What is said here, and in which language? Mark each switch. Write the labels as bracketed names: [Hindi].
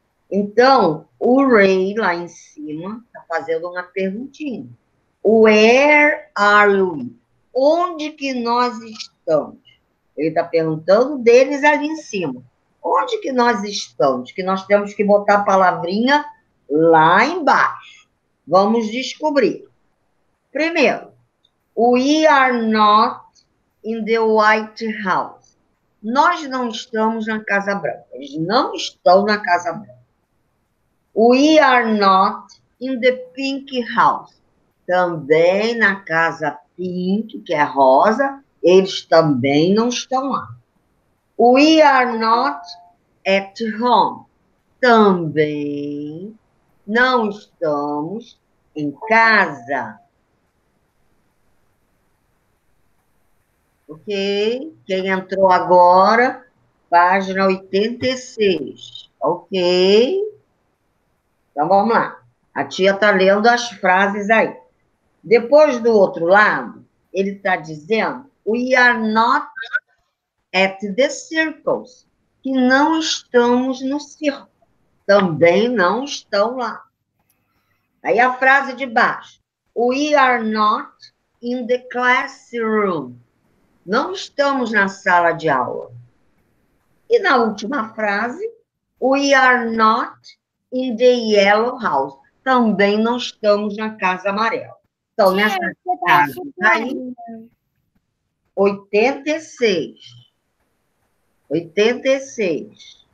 [Portuguese] Então, o Ray lá em cima está fazendo uma perguntinha. [English] Where are we? [Portuguese] Onde que nós estamos? Ele está perguntando deles ali em cima. Onde que nós estamos? Que nós temos que botar a palavrinha lá embaixo. Vamos descobrir. Primeiro, [English] we are not in the White House. [Portuguese] Nós não estamos na Casa Branca. Eles não estão na Casa Branca. [English] We are not in the Pink House. [Portuguese] Também na Casa Pink, que é rosa. Eles também não estão lá. [English] We are not at home. [Portuguese] Também não estamos em casa. Ok? Quem entrou agora? Página 86. Ok? Então vamos lá. A tia está lendo as frases aí. Depois do outro lado, ele está dizendo. [English] We are not at the circles, [Portuguese] que não estamos no circo. Também não estão lá. Aí a frase de baixo. [English] We are not in the classroom. [Portuguese] Não estamos na sala de aula. E na última frase, [English] we are not in the yellow house. [Portuguese] Também não estamos na Casa Amarela. Então, Tia, nessa você está casa aí, ajudando. 86. 86.